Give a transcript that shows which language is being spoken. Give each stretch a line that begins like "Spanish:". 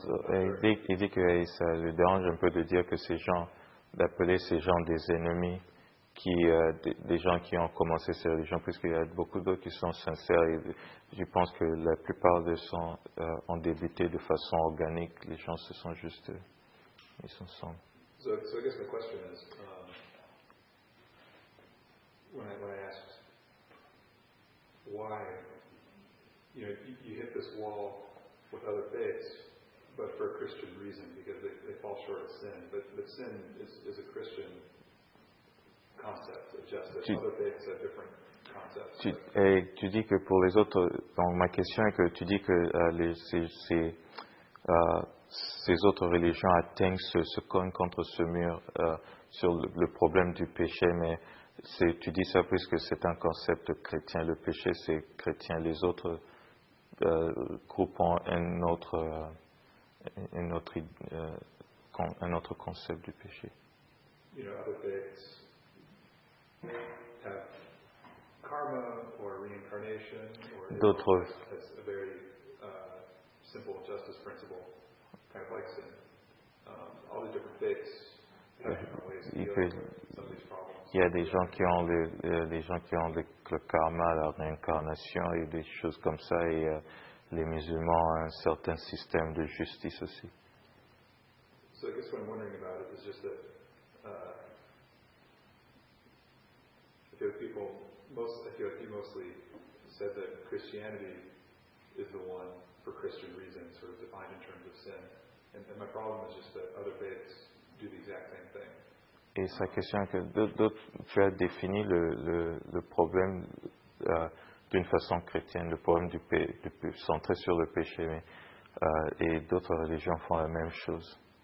French: Il dit que ça lui dérange un peu de dire que ces gens d'appeler ces gens des ennemis, qui, des gens qui ont commencé ces religions, puisqu'il y a beaucoup d'autres qui sont sincères. Et je pense que la plupart d'eux ont débuté de façon organique. Les gens se sont juste mis ensemble.
English: So I guess the question is, when I asked why, you hit this wall with other faiths, but for a Christian reason, because they fall short of sin. But sin is a Christian concept of justice. Other faiths have different concepts.
French: Tu dis que pour les autres, donc ma question est que tu dis que ces autres religions atteignent ce cogne contre ce mur sur le problème du péché, mais c'est, tu dis ça puisque c'est un concept chrétien. Le péché, c'est chrétien. Les autres groupes ont un autre concept du péché.
English: You know, other faiths have karma or reincarnation or that's a very simple justice principle, kind of like sin. All the different faiths
French: Il y a des gens qui ont le karma, la réincarnation et des choses comme ça, et les musulmans ont un certain système de justice aussi.
English: So I guess what I'm wondering about is just that Ethiopia mostly said that Christianity is the one for Christian reasons, sort of defined in terms of sin. And my problem is just that other faiths do the exact same thing.
French: Et sa question est que tu as défini le problème d'une façon chrétienne, le problème centré sur le péché, mais, et d'autres religions font la même chose.